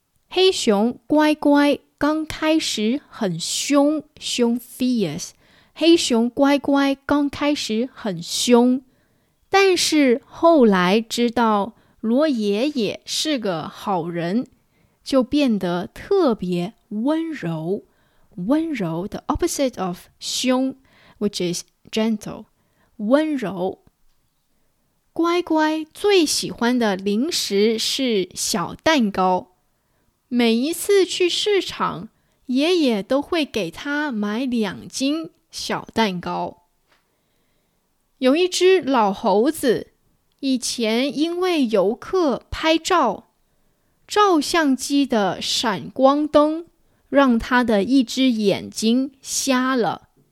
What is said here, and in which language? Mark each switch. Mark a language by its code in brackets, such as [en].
[zh] 黑熊乖乖刚开始很凶，凶 fierce， 黑熊乖乖刚开始很凶，但是后来知道罗爷爷是个好人，就变得特别温柔。 [en] 温柔 the opposite of 凶 which is gentle， 温柔。 [zh] 乖乖最喜欢的零食是小蛋糕，每一次去市场，爷爷都会给他买两斤小蛋糕。有一只老猴子，以前因为游客拍照，照相机的闪光灯让他的一只眼睛瞎了。